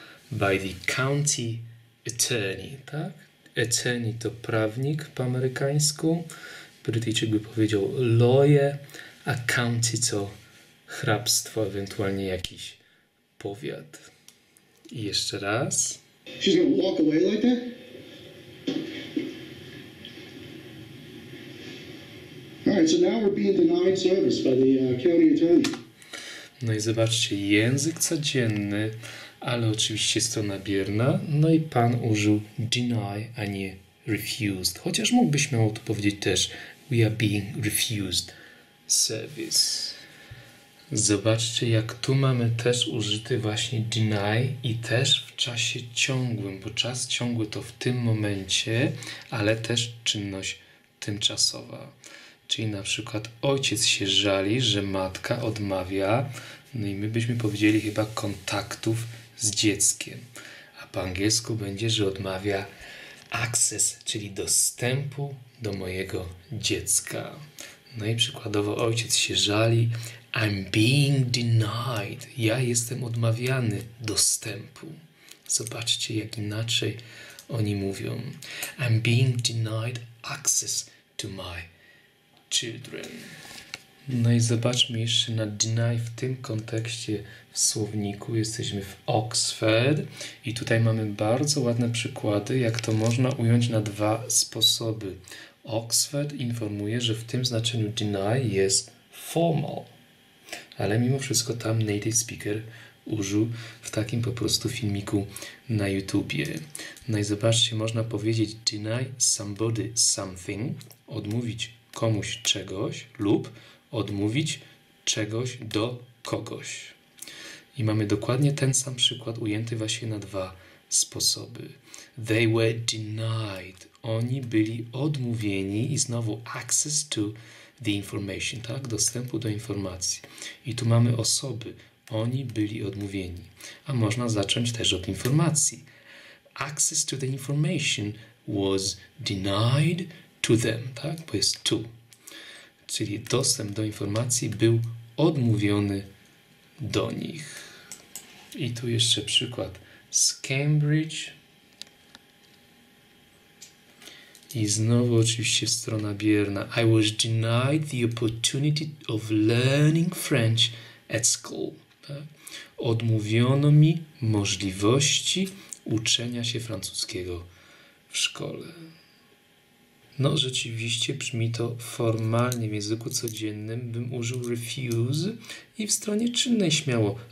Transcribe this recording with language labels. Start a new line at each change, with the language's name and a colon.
English: By the county attorney,
Polish: tak? Attorney to prawnik po amerykańsku. Brytyjczyk by powiedział lawyer, a county to hrabstwo, ewentualnie jakiś powiat. I jeszcze raz.
English: She's gonna walk away like that? Alright, so now we're being denied service by the county attorney.
Polish: No i zobaczcie, język codzienny, ale oczywiście strona bierna. No i pan użył deny, a nie refused. Chociaż mógłby śmiało tu powiedzieć też
English: we are being refused service.
Polish: Zobaczcie, jak tu mamy też użyty właśnie deny i też w czasie ciągłym, bo czas ciągły to w tym momencie, ale też czynność tymczasowa. Czyli na przykład ojciec się żali, że matka odmawia, no i my byśmy powiedzieli chyba kontaktów z dzieckiem. A po angielsku będzie, że odmawia access, czyli dostępu do mojego dziecka. No i przykładowo ojciec się żali,
English: I'm being denied.
Polish: Ja jestem odmawiany dostępu. Zobaczcie, jak inaczej oni mówią.
English: I'm being denied access to my children.
Polish: No i zobaczmy jeszcze na deny w tym kontekście w słowniku. Jesteśmy w Oxford i tutaj mamy bardzo ładne przykłady, jak to można ująć na dwa sposoby. Oxford informuje, że w tym znaczeniu deny jest formal, ale mimo wszystko tam native speaker użył w takim po prostu filmiku na YouTubie. No i zobaczcie, można powiedzieć
English: deny somebody something,
Polish: odmówić komuś czegoś lub odmówić czegoś do kogoś. I mamy dokładnie ten sam przykład ujęty właśnie na dwa sposoby.
English: They were denied.
Polish: Oni byli odmówieni i znowu
English: access to the information, tak?
Polish: Dostępu do informacji. I tu mamy osoby. Oni byli odmówieni. A można zacząć też od informacji.
English: Access to the information was denied to them, tak?
Polish: Bo jest to. Czyli dostęp do informacji był odmówiony do nich. I tu jeszcze przykład z Cambridge. I znowu oczywiście strona bierna.
English: I was denied the opportunity of learning French at school.
Polish: Tak? Odmówiono mi możliwości uczenia się francuskiego w szkole. No, rzeczywiście brzmi to formalnie. W języku codziennym bym użył refuse i w stronie czynnej śmiało.